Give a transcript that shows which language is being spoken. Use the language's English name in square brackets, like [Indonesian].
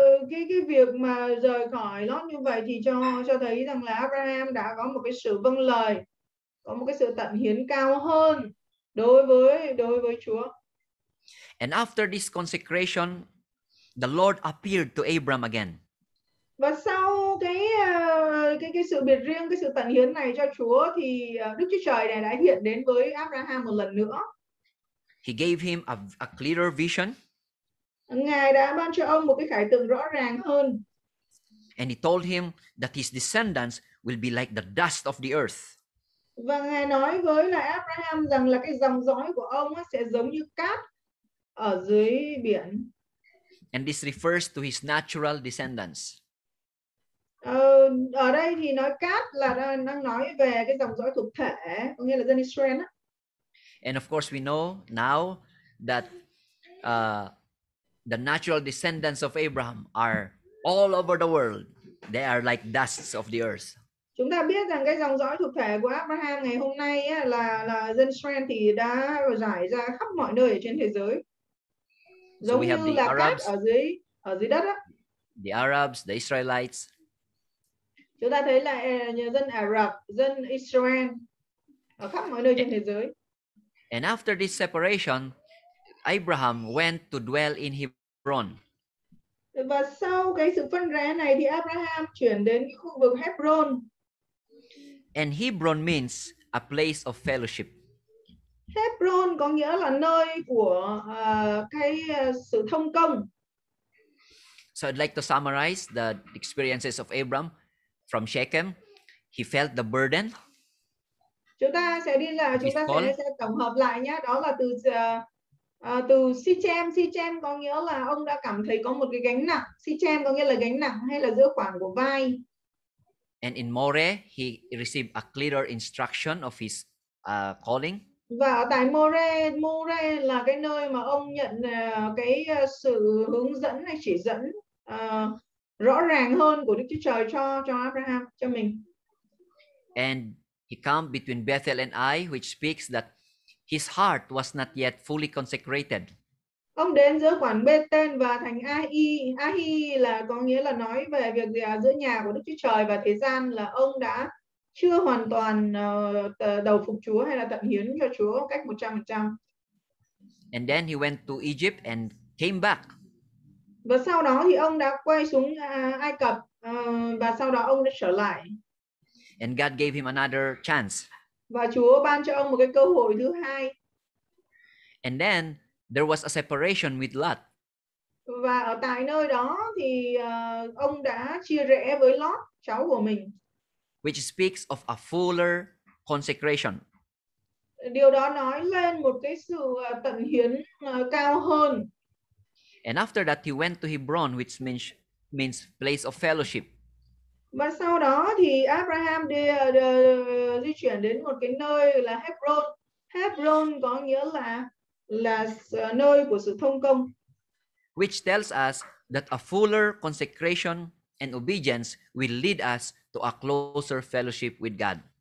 [Vietnamese] Cái việc mà rời khỏi Lot như vậy thì cho thấy rằng là Abraham đã có một cái sự vâng lời, có một cái sự tận hiến cao hơn đối với Chúa. [English] And after this consecration, the Lord appeared to Abraham again. [Vietnamese] Và sau cái sự biệt riêng, cái sự tận hiến này cho Chúa thì Đức Chúa Trời này đã hiện đến với Abraham một lần nữa. [English] He gave him a clearer vision. [Vietnamese] Ngài đã ban cho ông một cái khải tượng rõ ràng hơn. [English] And he told him that his descendants will be like the dust of the earth. [Vietnamese] Và ngài nói với lại Abraham rằng là cái dòng dõi của ông sẽ giống như cát ở dưới biển. [English] And this refers to his natural descendants. [Vietnamese] Ở đây thì nói cát là đang nói về cái dòng dõi thuộc thể, có nghĩa là dân Israel. [English] And of course we know now that the natural descendants of Abraham are all over the world. They are like dusts of the earth. [Vietnamese] Chúng ta biết rằng cái dòng dõi thuộc thể của Abraham ngày hôm nay là dân Israel thì đã rải ra khắp mọi nơi ở trên thế giới. Giống như là Arabs, cát ở dưới đất á. [English] The Arabs, the Israelites. [Vietnamese] Chúng ta thấy là dân Ả Rập, dân Israel ở khắp mọi nơi trên thế giới. [English] And after this separation, Abraham went to dwell in Hebron. [Vietnamese] Và sau cái sự phân rẽ này thì Abraham chuyển đến khu vực Hebron. [English] And Hebron means a place of fellowship. [Vietnamese] Hebron có nghĩa là nơi của sự thông công. [English] So I'd like to summarize the experiences of Abraham from Shechem. He felt the burden. [Vietnamese] Chúng ta sẽ tổng hợp lại nhé. Đó là từ Shechem. Shechem có nghĩa là ông đã cảm thấy có một cái gánh nặng. Shechem có nghĩa là gánh nặng hay là giữa khoảng của vai. [English] And in More, he received a clearer instruction of his calling. [Vietnamese] Và ở tại More, More là cái nơi mà ông nhận cái sự hướng dẫn hay chỉ dẫn rõ ràng hơn của Đức Chúa Trời cho Abraham, cho mình. [English] And he came between Bethel and Ai, which speaks that his heart was not yet fully consecrated. [Vietnamese] Ông đến giữa khoảng Bethel và thành Ai. Ai là có nghĩa là nói về việc gì giữa nhà của Đức Chúa Trời và thế gian, là ông đã chưa hoàn toàn đầu phục Chúa hay là tận hiến cho Chúa cách 100%. [English] And then he went to Egypt and came back. [Vietnamese] Và sau đó thì ông đã quay xuống Ai Cập và sau đó ông đã trở lại. [English] And God gave him another chance. [Vietnamese] Và Chúa ban cho ông một cái cơ hội thứ hai. [English] And then there was a separation with Lot. [Vietnamese] Và ở tại nơi đó thì ông đã chia rẽ với Lot, cháu của mình. [English] Which speaks of a fuller consecration. [Vietnamese] Điều đó nói lên một cái sự tận hiến cao hơn. [English] And after that he went to Hebron, which means place of fellowship. [Vietnamese] Và sau đó thì Abraham đi di chuyển đến một cái nơi là Hebron. Hebron có nghĩa là nơi của sự thông công. [English] Which tells us that a fuller consecration and obedience will lead us to a closer fellowship with God.